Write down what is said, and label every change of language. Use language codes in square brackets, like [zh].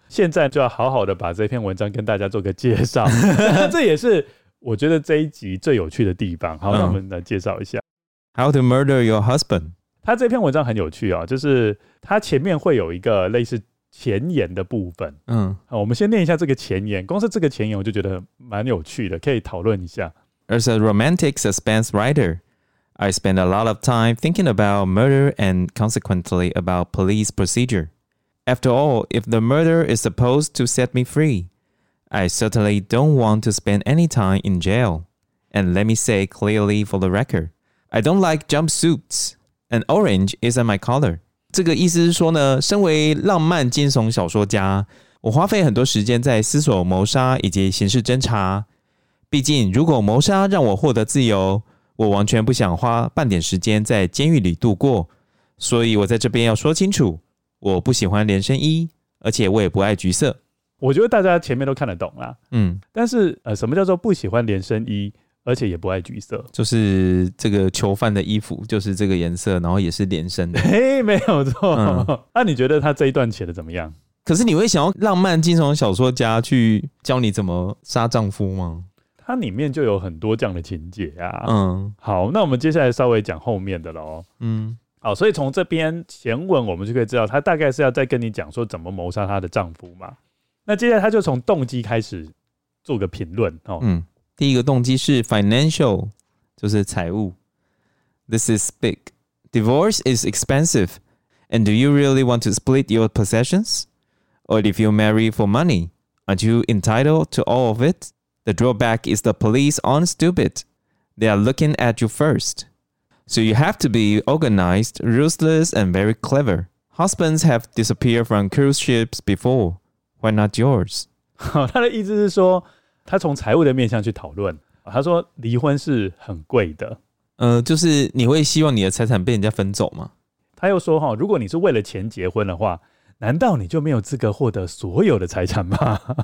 [zh] 现在就要好好的把这篇文章跟大家做个介绍这也是我觉得这一集最有趣的地方。好，那我们来介绍一下 [en] How to murder your husband。 [zh] 他这篇文章很有趣就是他前面会有一个类似前言的部分。我们先念一下这个前言，光是这个前言我就觉得蛮有趣的，可以讨论一下。 [en] As a romantic suspense writerI spend a lot of time thinking about murder and consequently about police procedure. After all, if the murder is supposed to set me free, I certainly don't want to spend any time in jail. And let me say clearly for the record, I don't like jumpsuits, and orange isn't my color. [zh] 这个意思是说呢，身为浪漫惊悚小说家，我花费很多时间在思索谋杀以及刑事侦查。毕竟，如果谋杀让我获得自由，我完全不想花半点时间在监狱里度过，所以我在这边要说清楚，我不喜欢连身衣，而且我也不爱橘色。我觉得大家前面都看得懂啦。但是什么叫做不喜欢连身衣而且也不爱橘色？就是这个囚犯的衣服就是这个颜色，然后也是连身的。没有错。那你觉得他这一段写的怎么样？可是你会想要浪漫惊悚小说家去教你怎么杀丈夫吗？它里面就有很多这样的情节啊。嗯，好，那我们接下来稍微讲后面的咯。好，所以从这边前文我们就可以知道他大概是要再跟你讲说怎么谋杀他的丈夫嘛。那接下来他就从动机开始做个评论。第一个动机是 financial， 就是财务。 [en] This is big. Divorce is expensive. And do you really want to split your possessions? Or if you marry for money, aren't you entitled to all of it? The drawback is the police aren't stupid. They are looking at you first. So you have to be organized, ruthless, and very clever. Husbands have disappeared from cruise ships before. Why not yours? [zh] 他的意思是说，他从财务的面向去讨论。他说离婚是很贵的。就是你会希望你的财产被人家分走吗？他又说，如果你是为了钱结婚的话，难道你就没有资格获得所有的财产吗？